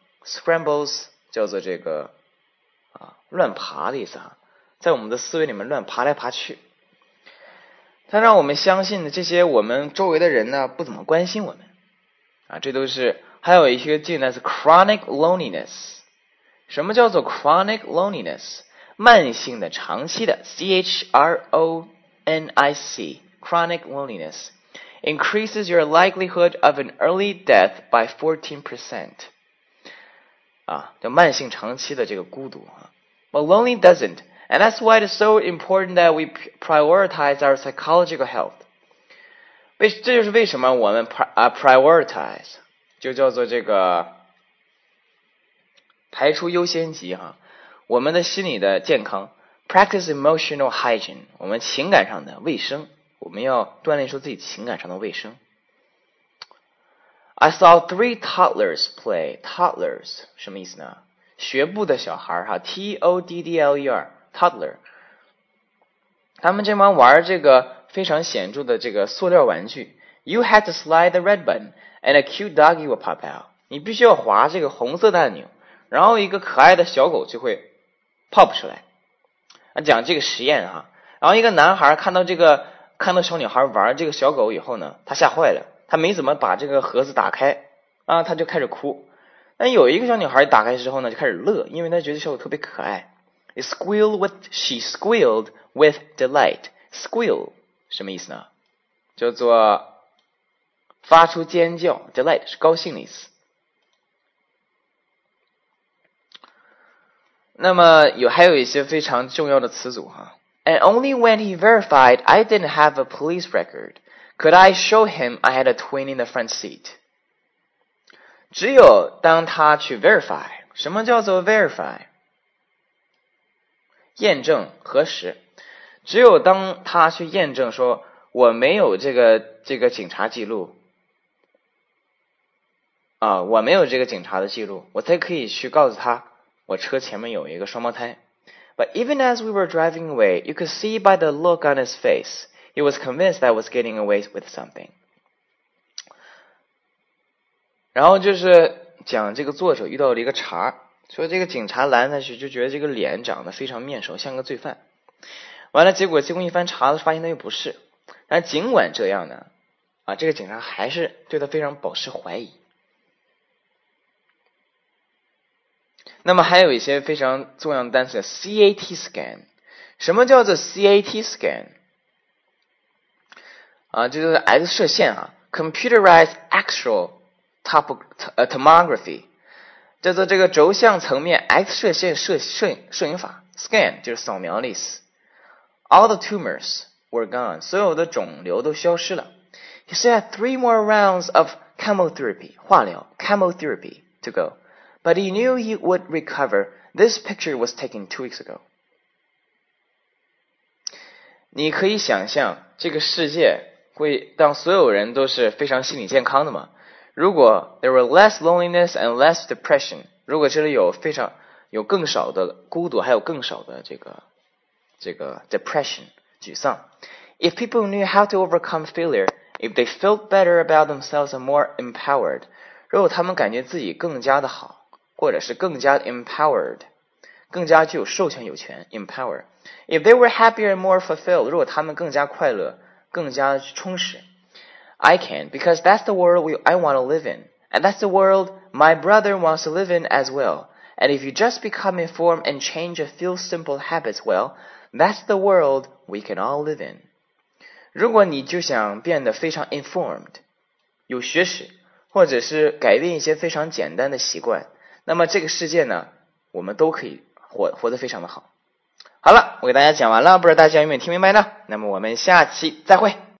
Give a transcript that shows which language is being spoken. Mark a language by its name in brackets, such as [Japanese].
[Chinese] Scrambles 叫做这个啊乱爬的意思啊，在我们的思维里面乱爬来爬去。他让我们相信的这些我们周围的人呢不怎么关心我们。啊，这都是还有一些技能是 chronic loneliness。什么叫做 chronic loneliness？慢性的、长期的 [English] ，chronic chronic loneliness increases your likelihood of an early death by 14%。 [Chinese] 啊，叫慢性长期的这个孤独啊。 [English] But lonely doesn't, and that's why it's so important that we prioritize our psychological health. [Chinese] 这就是为什么我们 prioritize， 就叫做这个。排除优先级哈，我们的心理的健康 ， [English] practice emotional hygiene， [Chinese] 我们情感上的卫生，我们要锻炼出自己情感上的卫生。 [English] I saw three toddlers play. [Chinese] Toddlers 什么意思呢？学步的小孩哈 ，T-O-D-D-L-E-R， toddler。他们这帮玩这个非常显著的这个塑料玩具 [English] ，You had to slide the red button and a cute doggy will pop out。 [Chinese] 你必须要滑这个红色的按钮。然后一个可爱的小狗就会 pop 出来。讲这个实验哈，然后一个男孩看到小女孩玩这个小狗以后呢，他吓坏了，他没怎么把这个盒子打开啊，他就开始哭。那有一个小女孩打开之后呢，就开始乐，因为她觉得小狗特别可爱。 [English] She squealed with delight. [Chinese] Squeal 什么意思呢？叫做发出尖叫。 Delight 是高兴的意思。那么有还有一些非常重要的词组哈。 [English] And only when he verified I didn't have a police record, could I show him I had a twin in the front seat. [Chinese] 只有当他去 verify, 什么叫做 verify? 验证核实。只有当他去验证说我没有这个警察记录。啊，我没有这个警察的记录，我才可以去告诉他。我车前面有一个双胞胎。 [English] But even as we were driving away, you could see by the look on his face, he was convinced that I was getting away with something. [Chinese] 然后就是讲这个作者遇到了一个茬，说这个警察拦下去就觉得这个脸长得非常面熟，像个罪犯。完了结果经过一番查了，发现他又不是。但尽管这样呢，啊，这个警察还是对他非常保持怀疑。那么还有一些非常重要的单词 CAT scan， 什么叫做 CAT scan？啊，就是 X 射线啊 ，computerized axial tomography， 叫做这个轴向层面 X 射线摄影法 ，scan 就是扫描的意思。 [English] All the tumors were gone， [Chinese] 所有的肿瘤都消失了。 [English] He said three more rounds of chemotherapy， 化疗 ，chemotherapy to go。 But he knew he would recover. This picture was taken 2 weeks ago. [Chinese] 你可以想象这个世界会当所有人都是非常心理健康的吗？如果 [English] there were less loneliness and less depression， [Chinese] 如果这里有更少的孤独，还有更少的这个 depression 沮丧。 [English] If people knew how to overcome failure, if they felt better about themselves and more empowered， [Chinese] 如果他们感觉自己更加的好。或者是更加 empowered， 更加具有授权有权 empower。 [English] If they were happier and more fulfilled， [Chinese] 如果他们更加快乐，更加充实。 [English] I can because that's the world I want to live in， and that's the world my brother wants to live in as well。 And if you just become informed and change a few simple habits， well， that's the world we can all live in。 [Chinese] 如果你就想变得非常 informed， 有学识，或者是改变一些非常简单的习惯。那么这个世界呢，我们都可以活得非常的好。好了，我给大家讲完了，不知道大家有没有听明白呢？那么我们下期再会。